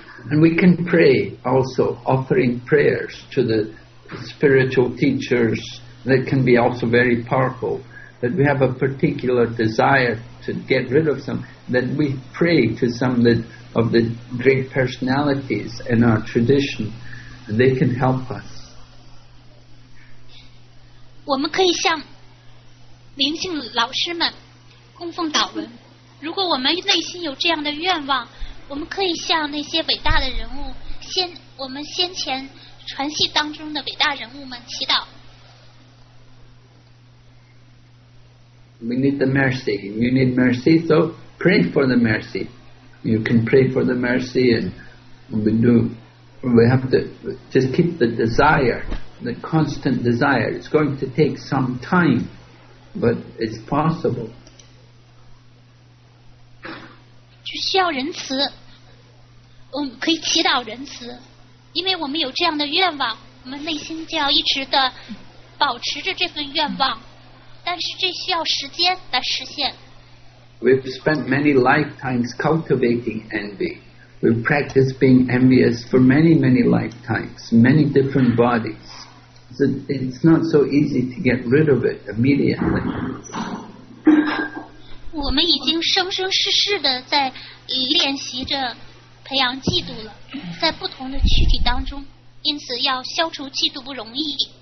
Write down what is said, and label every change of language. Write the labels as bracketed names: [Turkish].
[English] And we can pray also, offering prayers to the spiritual teachers. That can be also very powerful. That we have a particular desire to get rid of some. That we pray to some of the great personalities in our tradition. They can help us. [Chinese] 我们可以向灵性老师们供奉祷文。如果我们内心有这样的愿望，我们可以向那些伟大的人物，我们先前传系当中的伟大人物们祈祷。 [English] We need the mercy. You need mercy, so pray for the mercy. You can pray for the mercy, and we do. We have to just keep the desire, the constant desire. It's going to take some time, but it's possible. [Chinese] 就需要仁慈，我们可以祈祷仁慈，因为我们有这样的愿望，我们内心就要一直的保持着这份愿望。但是这需要时间来实现。 [English] We've spent many lifetimes cultivating envy. We've practiced being envious for many, many lifetimes, many different bodies. So it's not so easy to get rid of it immediately. [Chinese] 我们已经生生世世的在练习着培养嫉妒了，在不同的躯体当中，因此要消除嫉妒不容易。